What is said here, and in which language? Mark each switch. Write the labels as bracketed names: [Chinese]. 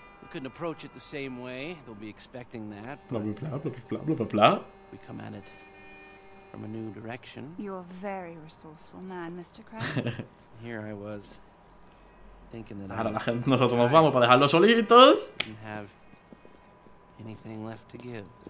[English] Couldn't approach it the same way. They'll be expecting that. Blah blah blah blah blah blah blah. We come at it from a new direction. You're a very resourceful man, Mr. Crest. Here I was thinking that. [Spanish] Ahora nosotros nos vamos para dejarlos solitos. [English] Have anything left to give?